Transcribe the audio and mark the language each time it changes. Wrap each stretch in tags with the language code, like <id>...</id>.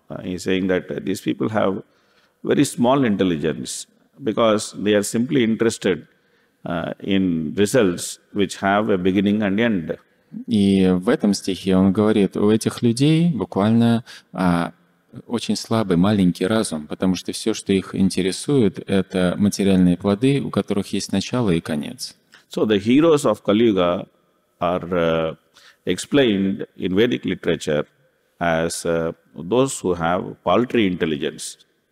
<en>He's saying that these people have very small intelligence, because they are simply interested in results which have a beginning and end.</en> <ru>И в этом стихе он говорит, у этих людей буквально очень слабый, маленький разум, потому что все, что их интересует, это материальные плоды, у которых есть начало и конец.</ru> <en>So the heroes of Kali Yuga are explained in Vedic literature as those who have paltry intelligence.</en>